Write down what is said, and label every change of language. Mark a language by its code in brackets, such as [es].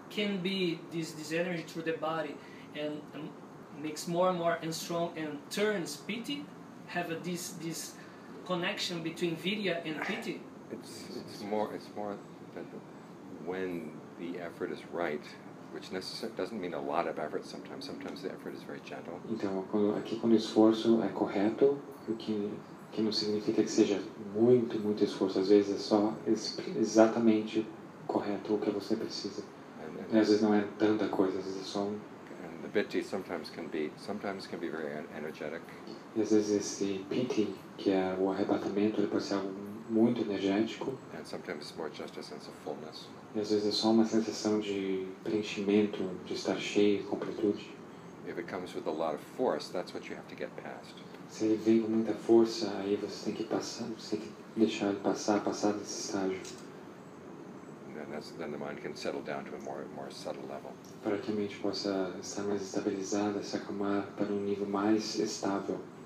[en] Can be this energy through the body and makes more and more and strong and turns piti, have this connection between vidya and piti. It's more that when the effort is right, which doesn't mean a lot of effort sometimes. Sometimes the effort is very gentle. [pt] Então, quando o esforço é correto, que não significa que seja muito, muito esforço. Às vezes é só exatamente correto o que você precisa. And às vezes não é tanta coisa, às vezes é só um... [en] And the piti sometimes can be very energetic. [pt] E às vezes esse piti, que é o arrebatamento, ele pode ser algo muito energético. [en] And sometimes it's more just a sense of fullness. [pt] E às vezes é só uma sensação de preenchimento, de estar cheio, completude. [en] If it comes with a lot of force, that's what you have to get past. [pt] Se ele vem com muita força, aí você tem que passar, você tem que deixar ele passar desse estágio. [en] Then the mind can settle down to a more subtle level. [pt] Para que a mente possa estar mais estabilizada, se acalmar para um nível mais estável.